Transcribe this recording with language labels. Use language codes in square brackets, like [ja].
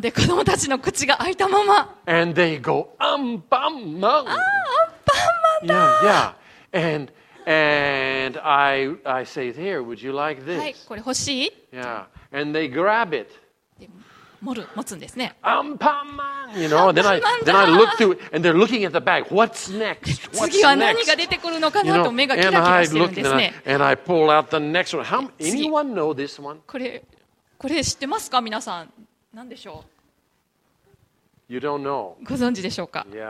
[ja] で子供たちの口が開いたまま [en] and they go アンパンマン [ja] アンパンマンだ [en] yeah, yeah. And I say here would you like this [ja] はいこれ欲しい [en] yeah and they grab it [ja] 持つんですね [en] アンパンマン you know then I look through and they're looking at the bag what's next [ja] 次は何が出てくるのかなと目がキラキラしてるんですね [en] and I look and I pull out the next one how anyone know this one [ja] これ知ってますか皆さん何でしょう [en] You don't know. [ja] ご存知でしょうか、yeah.